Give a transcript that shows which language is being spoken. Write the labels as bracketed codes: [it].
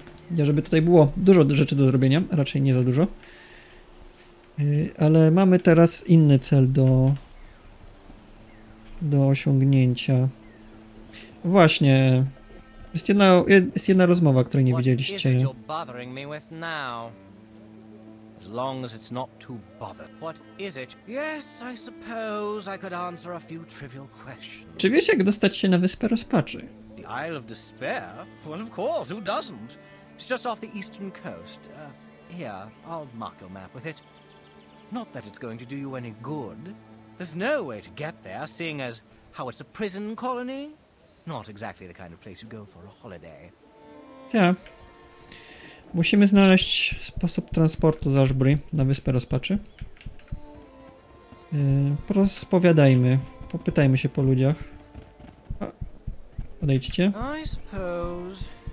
[pl] Nie, żeby tutaj było dużo rzeczy do zrobienia, raczej nie za dużo. Ale mamy teraz inny cel do osiągnięcia. Właśnie. Jest jedna rozmowa, której nie widzieliście. [en] What is it you're bothering me with now? As long as it's not too bothered. What is it? Yes, I suppose I could answer a few trivial questions. [pl] Czy wiesz, jak dostać się na Wyspę Rozpaczy? [en] The Isle of Despair? Well, of course, who doesn't? It's just off the eastern coast. Here, I'll mark your map with it. Not that it's going to do you any good. There's no way to get there, seeing as how it's a prison colony. Not exactly the kind of place you go for a holiday. [pl] Tak. Musimy znaleźć sposób transportu z Ashbury na Wyspę Rozpaczy. Spowiadajmy. Popytajmy się po ludziach. Odejdźcie. [en] I suppose.